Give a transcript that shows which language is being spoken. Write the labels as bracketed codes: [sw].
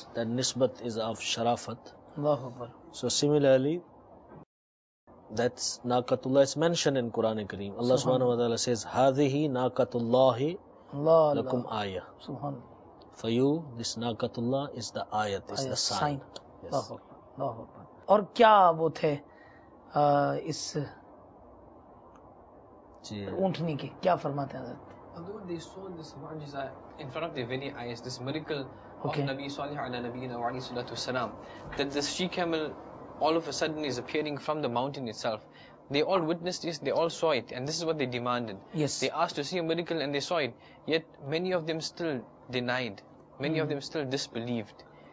[en] That nisbat is of sharafat. Allahu Akbar. So similarly, that's naqatullah. It's mentioned in Quran Kareem. Allah subhanahu wa ta'ala says, [ar] هَذِهِ نَاقَةُ اللَّهِ لَكُمْ آيَةً. [en] Subhanallah. For you, this naqatullah is the ayat, is the sign. Sign. Allahu Akbar. [ur] Allahu Akbar. اور کیا وہ تھے اس اونٹنی کے, کیا فرماتے ہیں حضرت؟ [en] Although they saw this mu'jiza in front of their very eyes, this miracle, okay, of Nabi Salih ala Nabi Nawa'i Salatu Salaam, that this she-camel all of a sudden is appearing from the mountain itself. They all witnessed this, they all saw it, and this is what they demanded. Yes. They asked to see a miracle and they saw it, yet many of them still denied, many of them still disbelieved.